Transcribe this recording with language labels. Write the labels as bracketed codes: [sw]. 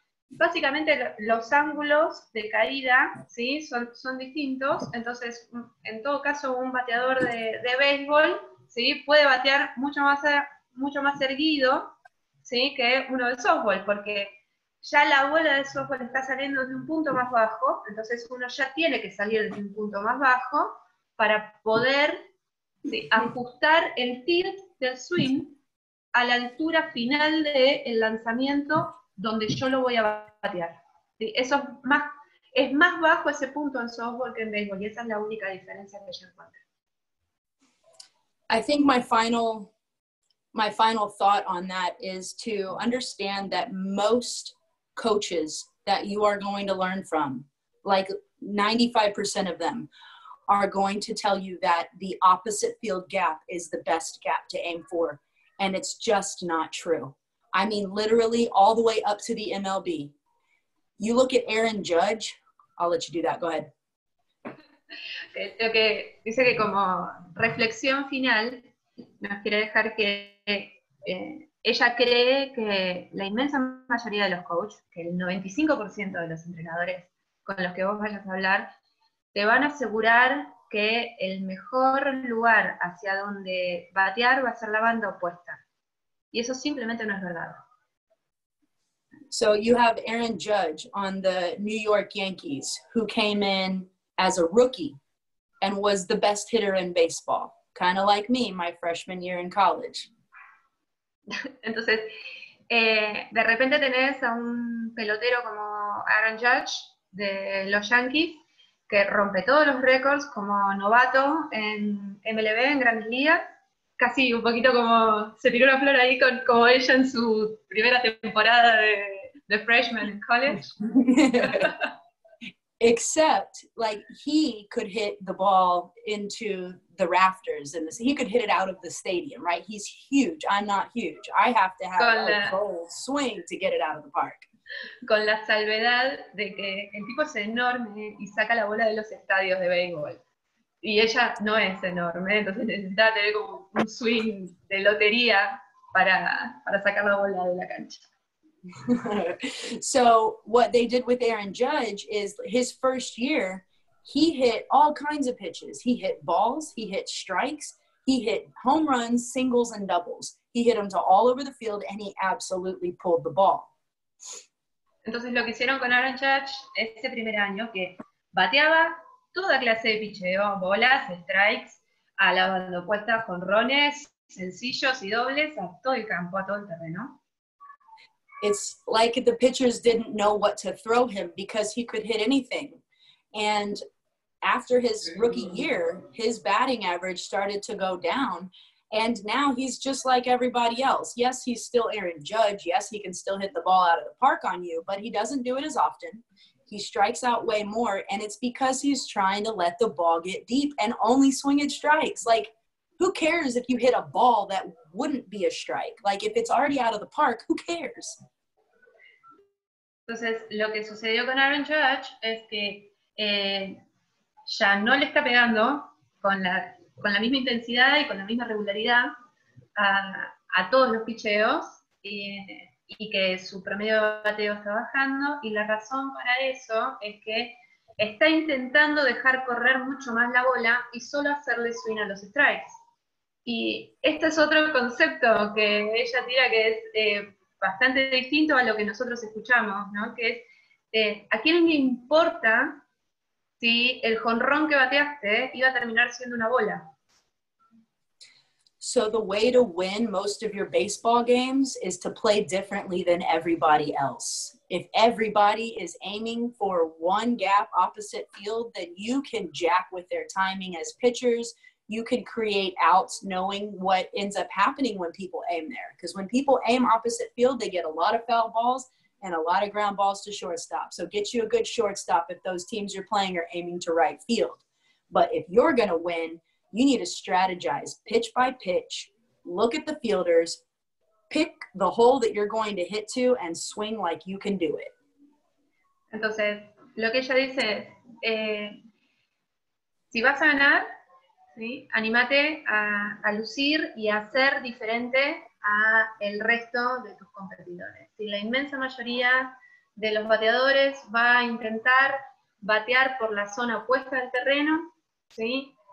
[es] básicamente los ángulos de caída, ¿sí?, son distintos, entonces en todo caso un bateador de béisbol, ¿sí?, puede batear mucho más erguido, ¿sí?, que uno de softball, porque ya la bola de softball está saliendo de un punto más bajo, entonces uno ya tiene que salir de un punto más bajo para poder, ¿sí?, ajustar el tilt del swing a la altura final del lanzamiento donde yo lo voy a batear. ¿Sí? Eso es más bajo ese punto en softball que en béisbol, y esa es la única diferencia que yo encuentro. [en] I think my final thought on that is to understand that most coaches that you are going to learn from, like 95% of them, are going to tell you that the opposite field gap is the best gap to aim for. And it's just not true. I mean, literally all the way up to the MLB. You look at Aaron Judge, I'll let you do that, go ahead. [es] Okay, dice que como reflexión final, nos quiere dejar que ella cree que la inmensa mayoría de los coaches, que el 95% de los entrenadores con los que vos vayas a hablar, te van a asegurar que el mejor lugar hacia donde batear va a ser la banda opuesta. Y eso simplemente no es verdad. [en] So you have Aaron Judge on the New York Yankees, who came in as a rookie and was the best hitter in baseball. Kind of like me, my freshman year in college. [es] Entonces, de repente tenés a un pelotero como Aaron Judge de los Yankees, que rompe todos los récords como novato en MLB, en Grandes Ligas, casi un poquito como se tiró una flor ahí como ella en su primera temporada de [en] freshman in college. Except, like, he could hit the ball into the rafters, and he could hit it out of the stadium, right? He's huge. I'm not huge. I have to have a bold swing to get it out of the park. [es] Con la salvedad de que el tipo es enorme y saca la bola de los estadios de béisbol. Y ella no es enorme, entonces necesita tener como un swing de lotería para sacar la bola de la cancha. [en] So what they did with Aaron Judge is his first year, he hit all kinds of pitches. He hit balls, he hit strikes, he hit home runs, singles, and doubles. He hit them to all over the field, and he absolutely pulled the ball. [es] Entonces lo que hicieron con Aaron Judge ese primer año, que bateaba toda clase de picheo, bolas, strikes, a la banda opuesta, jonrones, sencillos y dobles, a todo el campo, a todo el terreno. [en] It's like the pitchers didn't know what to throw him because he could hit anything. And after his rookie year, his batting average started to go down. And now he's just like everybody else. Yes, he's still Aaron Judge. Yes, he can still hit the ball out of the park on you, but he doesn't do it as often. He strikes out way more, and it's because he's trying to let the ball get deep and only swing at strikes. Like, who cares if you hit a ball that wouldn't be a strike? Like, if it's already out of the park, who cares? [es] Entonces, lo que sucedió con Aaron Judge es que ya no le está pegando con la misma intensidad y con la misma regularidad a todos los picheos y que su promedio de bateo está bajando. Y la razón para eso es que está intentando dejar correr mucho más la bola y solo hacerle swing a los strikes. Y este es otro concepto que ella tira que es bastante distinto a lo que nosotros escuchamos, ¿no? Que es, ¿a quién le importa si el jonrón que bateaste iba a terminar siendo una bola? [en] So the way to win most of your baseball games is to play differently than everybody else. If everybody is aiming for one gap opposite field, then you can jack with their timing as pitchers. You can create outs knowing what ends up happening when people aim there. Because when people aim opposite field, they get a lot of foul balls and a lot of ground balls to shortstop. So get you a good shortstop if those teams you're playing are aiming to right field. But if you're going to win, you need to strategize pitch by pitch, look at the fielders, pick the hole that you're going to hit to, and swing like you can do it. [es] Entonces, lo que ella dice es, si vas a ganar, ¿sí? Anímate a lucir y a ser diferente a el resto de tus competidores. Si la inmensa mayoría de los bateadores va a intentar batear por la zona opuesta del terreno, ¿sí?